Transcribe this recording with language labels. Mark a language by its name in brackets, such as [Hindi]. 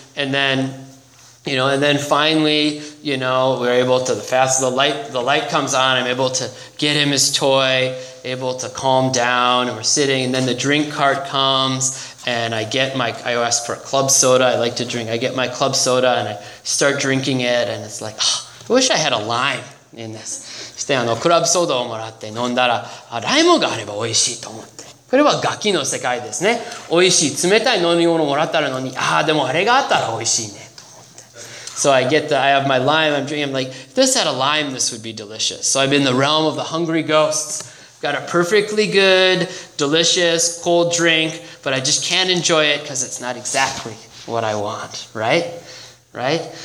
[English] And then finally, you know, we're able to, the light comes on. I'm able to get him his toy, able to calm down. And we're sitting and then the drink cart comes and I ask for a club soda. I like to drink. I get my club soda and I start drinking it. And it's like, oh, I wish I had a lime. In this. [Japanese] そしてクラブソーダをもらって飲んだらライムがあれば美味しいと思ってこれはガキの世界ですね美味しい冷たい飲み物をもらったらのにああでもあれがあったら美味しいねと思って [English] So I get the, I have my lime, I'm drinking, I'm like, if this had a lime, this would be delicious. So I'm in the realm of the hungry ghosts. Got a perfectly good, delicious, cold drink, but I just can't enjoy it because it's not exactly what I want, right? Right?